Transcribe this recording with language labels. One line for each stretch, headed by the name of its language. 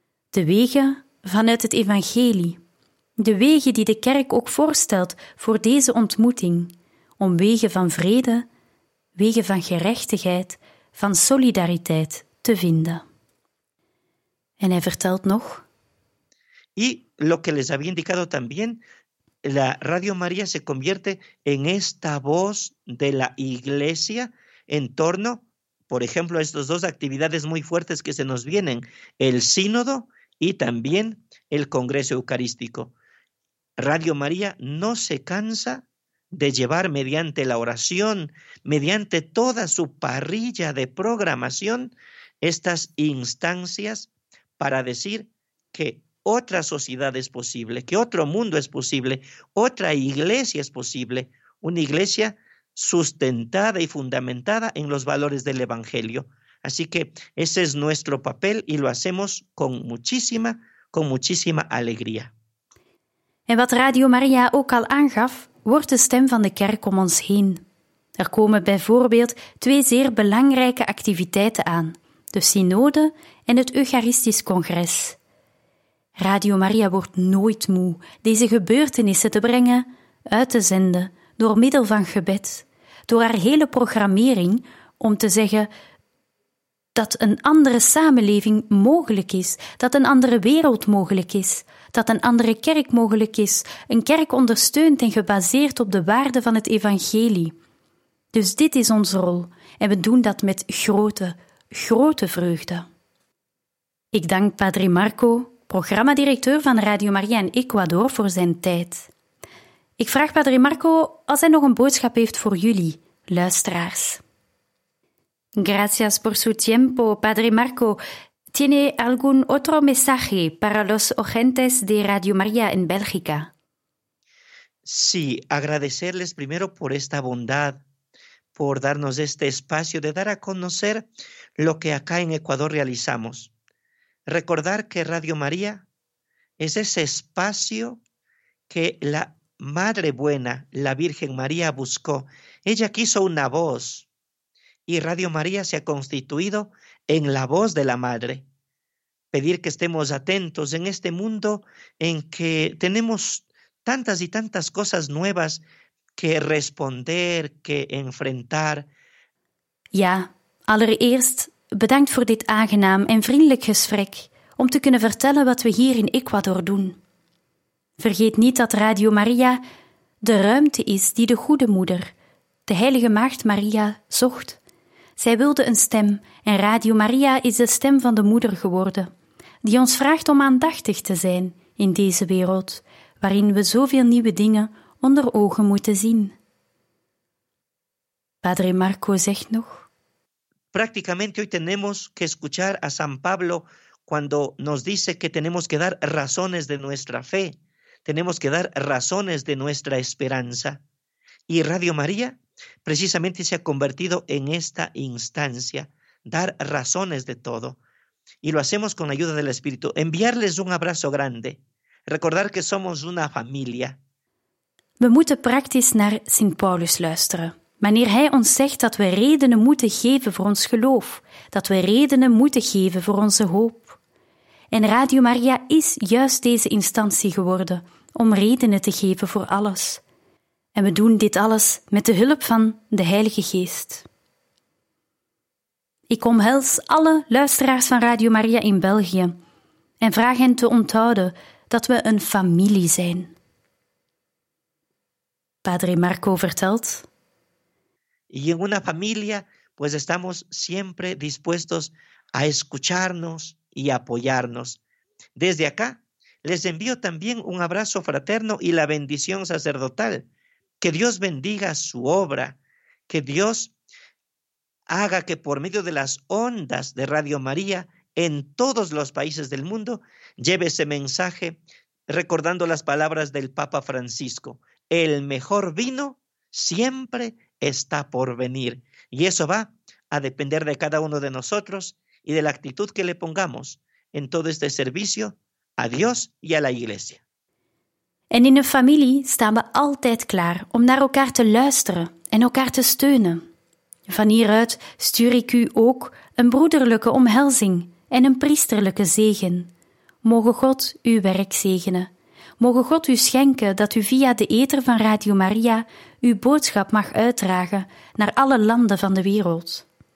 Dutch: De wegen vanuit het evangelie. De wegen die de kerk ook voorstelt voor deze ontmoeting. Om wegen van vrede, wegen van gerechtigheid, van solidariteit te vinden. En hij vertelt nog...
Spanish: Y lo que les había indicado también... La Radio María se convierte en esta voz de la Iglesia en torno, por ejemplo, a estas dos actividades muy fuertes que se nos vienen, el Sínodo y también el Congreso Eucarístico. Radio María no se cansa de llevar mediante la oración, mediante toda su parrilla de programación, estas instancias para decir que otra sociedad es posible, que otro mundo es posible, otra iglesia es posible, una iglesia sustentada y fundamentada en los valores del Evangelio. Así que ese es nuestro papel y lo hacemos con muchísima alegría.
Dutch: En wat Radio María ook al aangaf, wordt de stem van de kerk om ons heen. Er komen bijvoorbeeld twee zeer belangrijke activiteiten aan, de synode en het Eucharistisch Congres. Radio María wordt nooit moe deze gebeurtenissen te brengen, uit te zenden, door middel van gebed. Door haar hele programmering om te zeggen dat een andere samenleving mogelijk is, dat een andere wereld mogelijk is, dat een andere kerk mogelijk is, een kerk ondersteund en gebaseerd op de waarden van het evangelie. Dus dit is onze rol en we doen dat met grote, grote vreugde. Ik dank Padre Marco, programmadirecteur van Radio Maria in Ecuador, voor zijn tijd. Ik vraag Padre Marco als hij nog een boodschap heeft voor jullie, luisteraars.
Spanish: Gracias por su tiempo, Padre Marco. ¿Tiene algún otro mensaje para los oyentes de Radio María en Bélgica? Sí, agradecerles primero por esta bondad, por darnos este espacio de dar a conocer lo que acá en Ecuador realizamos. Recordar que Radio María es ese espacio que la Madre Buena, la Virgen María, buscó. Ella quiso una voz. Y Radio María se ha constituido en la voz de la Madre. Pedir que estemos atentos en este mundo en que tenemos tantas y tantas cosas nuevas que responder, que enfrentar.
Dutch: Ja, allereerst bedankt voor dit aangenaam en vriendelijk gesprek om te kunnen vertellen wat we hier in Ecuador doen. Vergeet niet dat Radio María de ruimte is die de Goede Moeder, de Heilige Maagd Maria, zocht. Zij wilde een stem en Radio María is de stem van de moeder geworden, die ons vraagt om aandachtig te zijn in deze wereld, waarin we zoveel nieuwe dingen onder ogen moeten zien. Padre Marco zegt nog.
Spanish: Prácticamente hoy tenemos que escuchar a San Pablo cuando nos dice que tenemos que dar razones de nuestra fe, tenemos que dar razones de nuestra esperanza. Y Radio María precisamente se ha convertido en esta instancia, dar razones de todo. Y lo hacemos con la ayuda del Espíritu. Enviarles un abrazo grande. Recordar que somos una familia.
Dutch: We moeten praktisch naar Sint Paulus luisteren. Wanneer hij ons zegt dat we redenen moeten geven voor ons geloof, dat we redenen moeten geven voor onze hoop. En Radio Maria is juist deze instantie geworden om redenen te geven voor alles. En we doen dit alles met de hulp van de Heilige Geest. Ik omhels alle luisteraars van Radio Maria in België en vraag hen te onthouden dat we een familie zijn. Padre Marco vertelt.
Spanish: Y en una familia, pues estamos siempre dispuestos a escucharnos y apoyarnos. Desde acá, les envío también un abrazo fraterno y la bendición sacerdotal. Que Dios bendiga su obra, que Dios haga que por medio de las ondas de Radio María en todos los países del mundo lleve ese mensaje recordando las palabras del Papa Francisco. El mejor vino siempre está por venir. Y eso va a depender de cada uno de nosotros y de la actitud que le pongamos en todo este servicio a Dios y a la Iglesia.
Dutch: En in een familie staan we altijd klaar om naar elkaar te luisteren en elkaar te steunen. Van hieruit stuur ik u ook een broederlijke omhelzing en een priesterlijke zegen. Mogen God uw werk zegenen. Mogen God u schenken dat u via de ether van Radio Maria uw boodschap mag uitdragen naar alle landen van de wereld.